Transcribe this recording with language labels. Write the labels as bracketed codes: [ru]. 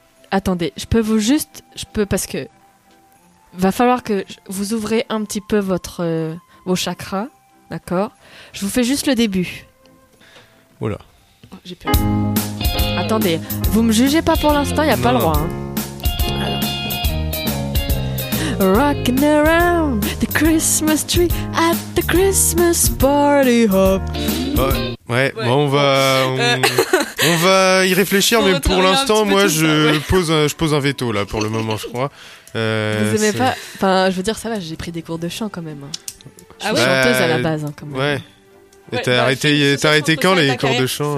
[fr] Attendez, je peux parce que va falloir que vous ouvrez un petit peu votre, vos chakras, d'accord ? Je vous fais juste le début. Voilà. J'ai peur. Attendez, vous me jugez pas pour l'instant, il n'y a pas le droit. Hein. [en] Rockin' around the Christmas tree at the Christmas party hop. [fr] Ouais, ouais. Bon, on va on va y réfléchir, mais pour l'instant, moi, je pose un veto là pour le moment, je crois. Vous aimez pas ? Enfin, je veux dire, ça va. J'ai pris des cours de chant quand même. Hein. Ah ouais. Chanteuse à la base, hein, quand même. Ouais. Et t'as arrêté, t'as arrêté quand les cours de chant ?